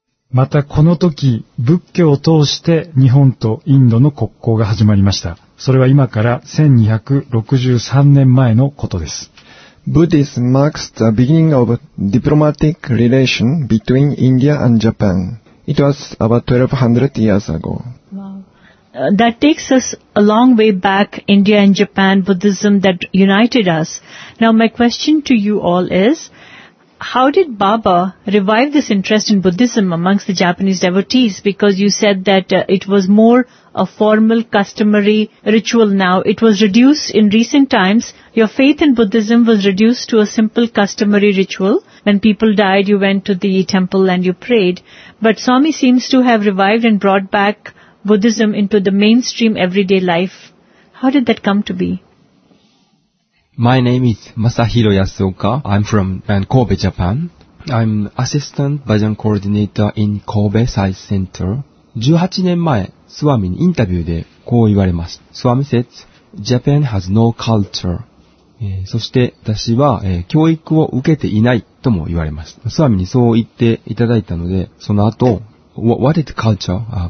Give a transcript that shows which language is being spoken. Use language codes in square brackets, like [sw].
[ja] またこの時、仏教を通して日本とインドの国交が始まりました。それは今から1263年前のことです。 [en] Buddhism marks the beginning of diplomatic relation between India and Japan. It was about 1200 years ago. Wow. That takes us a long way back, India and Japan, Buddhism that united us. Now my question to you all is, how did Baba revive this interest in Buddhism amongst the Japanese devotees? Because you said that it was more a formal, customary ritual now. It was reduced in recent times. Your faith in Buddhism was reduced to a simple, customary ritual. When people died, you went to the temple and you prayed. But Swami seems to have revived and brought back Buddhism into the mainstream everyday life. How did that come to be? My name is Masahiro Yasuoka. I'm from Kobe, Japan. I'm assistant Bhajan coordinator in Kobe Sai Center. [ja] 18 年前、スワミにインタビューでこう言われました。スワミ [en] said, Japan has no culture.、 [ja] そして私は、教育を受けていないとも言われました。スワミにそう言っていただいたので、その後、 [en] What is culture?